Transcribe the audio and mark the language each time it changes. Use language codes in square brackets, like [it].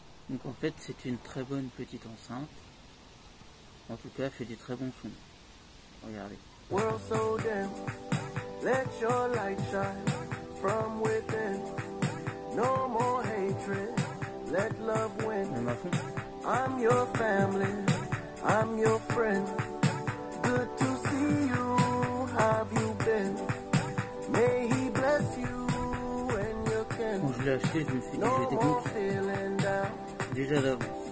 [fr] Donc en fait c'est une très bonne petite enceinte, en tout cas elle fait des très bons sons, regardez. [en] World so dim, let your light shine from within, no more hatred, let love win. I'm your family, I'm your friend, good to see you, have you been, may he bless you and your kin. [fr] Quand je l'ai acheté, je me suis dit que j'étais contre. Déjà d'avance.